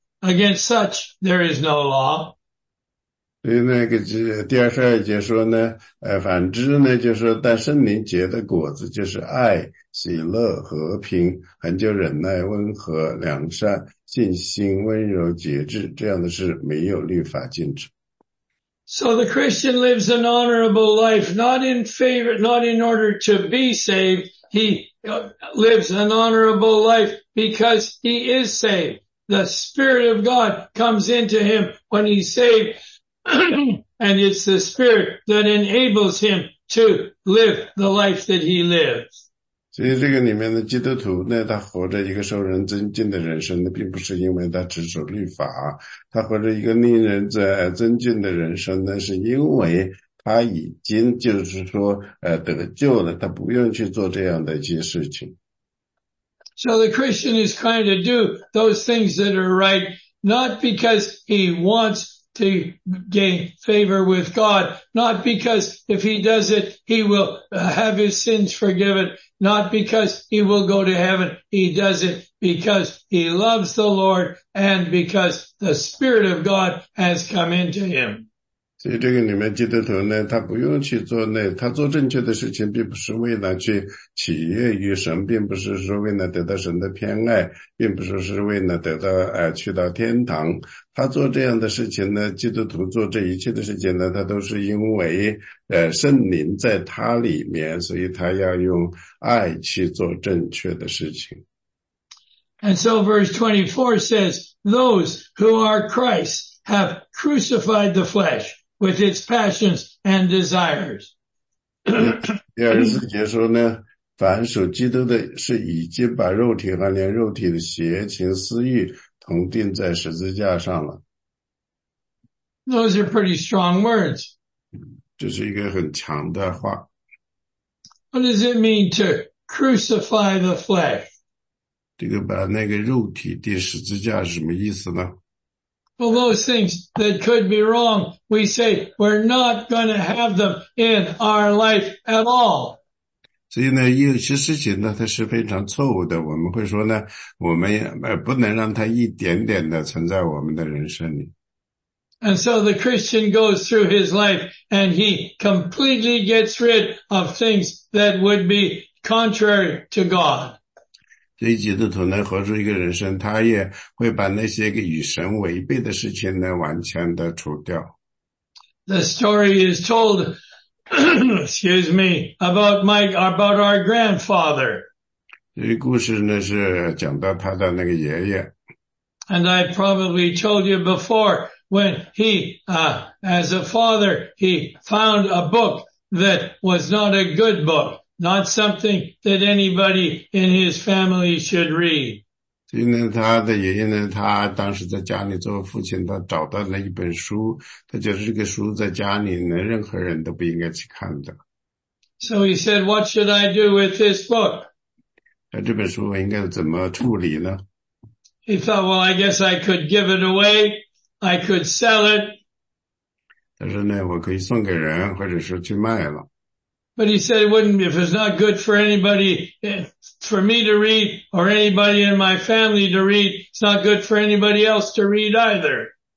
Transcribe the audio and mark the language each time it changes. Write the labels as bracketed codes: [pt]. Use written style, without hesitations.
[en] Against such there is no law. [zh] 第二十二节说呢，反之呢，就是但圣灵结的果子就是爱、喜乐、和平、恒久忍耐、温和、良善、信心、温柔、节制，这样的事没有律法禁止。 [en] So the Christian lives an honorable life, not in favor, not in order to be saved. He lives an honorable life because he is saved. The Spirit of God comes into him when he's saved, and it's the Spirit that enables him to live the life that he lives. [zh] 所以这个里面的基督徒呢，他活着一个受人尊敬的人生呢，并不是因为他执守律法，他活着一个令人尊敬的人生呢，是因为他已经就是说得救了，他不用去做这样的一些事情。 [en] So the Christian is trying to do those things that are right, not because he wants to gain favor with God, not because if he does it, he will have his sins forgiven, not because he will go to heaven. He does it because he loves the Lord and because the Spirit of God has come into him. [zh] 所以这个里面基督徒呢，他不用去做那，他做正确的事情，并不是为了去取悦于神，并不是说为了得到神的偏爱，并不是说为了得到去到天堂。他做这样的事情呢，基督徒做这一切的事情呢，他都是因为圣灵在他里面，所以他要用爱去做正确的事情。 [en] And so verse 24 says, those who are Christ have crucified the flesh with its passions and desires. [zh] 第二十四节说呢，凡属基督的是已经把肉体和连肉体的邪情私欲同钉在十字架上了。 [en] Those are pretty strong words. [zh] 这是一个很强的话。 [en] What does it mean to crucify the flesh? [zh] 这个把那个肉体钉十字架是什么意思呢 [en] ？Well, those things that could be wrong, we say we're not going to have them in our life at all. [zh] 所以呢，有些事情呢，它是非常错误的。我们会说呢，我们不能让它一点点的存在我们的人生里。 [en] And so the Christian goes through his life, and he completely gets rid of things that would be contrary to God. [zh] 所以基督徒呢，活出一个人生，他也会把那些个与神违背的事情呢，完全的除掉。 [en] The story is told, excuse me, about our grandfather. [zh] 这个故事呢，是讲到他的那个爷爷。 [en] And I probably told you before when he, as a father, he found a book that was not a good book. Not something that anybody in his family should read. [zh] 所以呢，他的爷爷呢，他当时在家里做父亲，他找到了一本书，他觉得这个书在家里呢，任何人都不应该去看的。 [en] So he said, "What should I do with this book?" [zh] 那这本书我应该怎么处理呢 [en] ？He thought, "Well, I guess I could give it away. I could sell it." [zh] 他说呢，我可以送给人，或者是去卖了。 [en] But he said it wouldn't, if it's not good for anybody, for me to read, or anybody in my family to read, it's not good for anybody else to read either.